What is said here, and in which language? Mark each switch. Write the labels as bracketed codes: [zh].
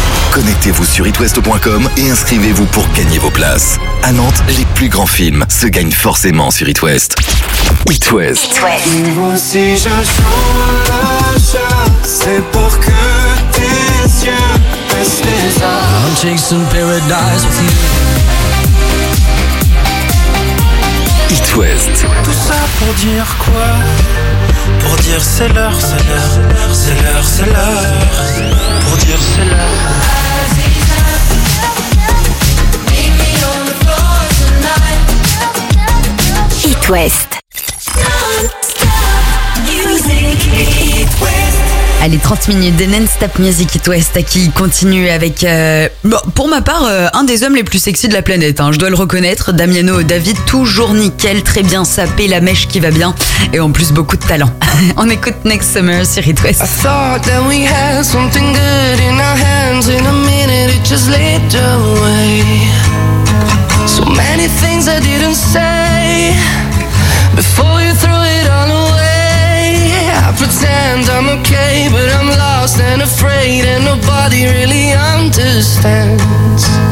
[fr] Connectez-vous sur itwest.com et inscrivez-vous pour gagner vos places. À Nantes, les plus grands films se gagnent forcément sur It West. It West. It West. C'est pour que tes yeux restent les arts. [en] I'm chasing paradise with you. It West. [fr] Tout ça pour dire quoi? Pour dire c'est l'heure, c'est l'heure, c'est l'heure, c'est l'heure, c'est l'heure. Pour dire c'est l'heure. It West. [en] Non-stop music. It West. [fr] À Allez, 30 minutes de non-stop music It West qui continue avec... Pour ma part, un des hommes les plus sexy de la planète, hein, je dois le reconnaître, Damiano David, toujours nickel, très bien sapé, la mèche qui va bien, et en plus beaucoup de talent. On écoute Next Summer sur It West. [en] I thought that we had something good in our hands. In a minute it just laid away. So many things I didn't say before you threw it all away. I pretend I'm okay, but I'm lost and afraid, and nobody really understands.